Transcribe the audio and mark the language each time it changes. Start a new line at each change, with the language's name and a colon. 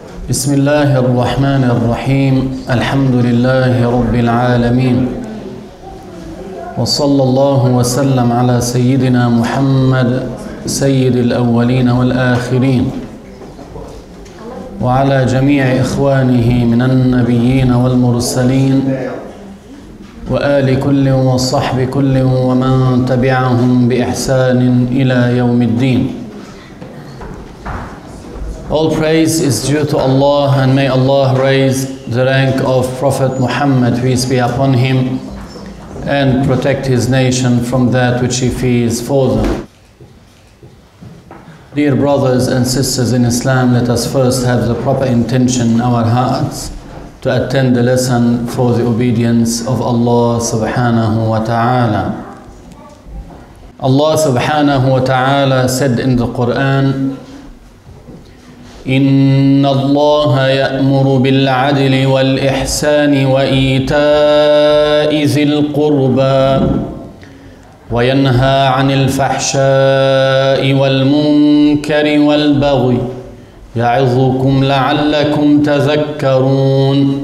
Arabic: بسم الله الرحمن الرحيم الحمد لله رب العالمين وصلى الله وسلم على سيدنا محمد سيد الأولين والآخرين وعلى جميع إخوانه من النبيين والمرسلين وآل كل وصحب كل ومن تبعهم بإحسان إلى يوم الدين.
English: All praise is due to Allah, and may Allah raise the rank of Prophet Muhammad, peace be upon him, and protect his nation from that which he fears for them. Dear brothers and sisters in Islam, let us first have the proper intention in our hearts to attend the lesson for the obedience of Allah subhanahu wa ta'ala. Allah subhanahu wa ta'ala said in the Quran,
Arabic: إن الله يأمر بالعدل والإحسان وإيتاء ذي القربى وينهى عن الفحشاء والمنكر والبغي يعظكم لعلكم تذكرون.